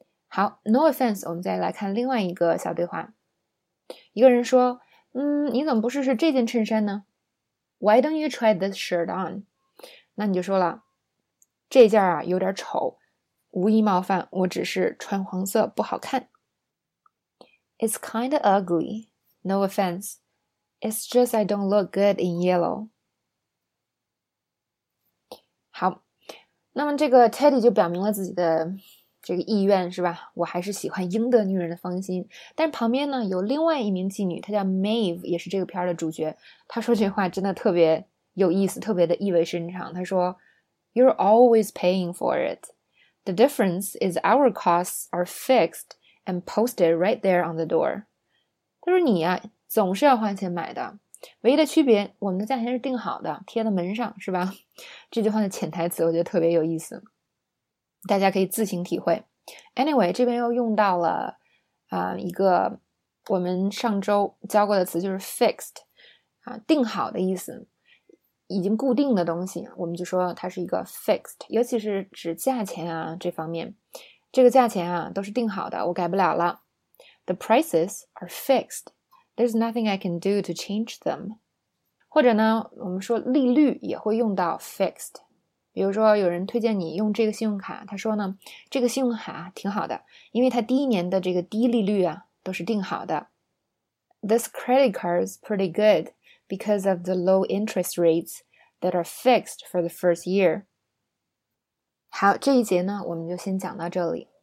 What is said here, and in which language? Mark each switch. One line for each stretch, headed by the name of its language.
Chinese: 好 ,no offense, 我们再来看另外一个小对话。一个人说，你怎么不试试这件衬衫呢？
English: Why don't you try this shirt on?
Chinese: 那你就说了，这件啊有点丑，无意冒犯，我只是穿黄色不好看。
English: It's kind of ugly, no offense. It's just I don't look good in yellow.
Chinese: 好，那么这个 Teddy 就表明了自己的这个意愿，是吧？我还是喜欢赢得女人的芳心。但是旁边呢有另外一名妓女，她叫 Maeve， 也是这个片的主角。她说这话真的特别有意思，特别的意味深长。她说 ："
English: You're always paying for it. The difference is our costs are fixed and posted right there on the door."
Chinese: 她说你呀、啊。总是要花钱买的，唯一的区别，我们的价钱是定好的，贴在门上，是吧？这句话的潜台词我觉得特别有意思，大家可以自行体会。 Anyway， 这边又用到了一个我们上周教过的词，就是 fixed， 定好的意思，已经固定的东西，我们就说它是一个 fixed， 尤其是指价钱啊这方面，这个价钱啊都是定好的，我改不了了。
English: The prices are fixed. There's nothing I can do to change them.
Chinese: 或者呢，我们说利率也会用到
English: fixed.
Chinese: 比如说有人推荐你用这个信用卡，他说呢，这个信用卡挺好的，因为它第一年的这个低利率啊，都是定好的。
English: This credit card is pretty good because of the low interest rates that are fixed for the first year.
Chinese: 好，这一节呢，我们就先讲到这里。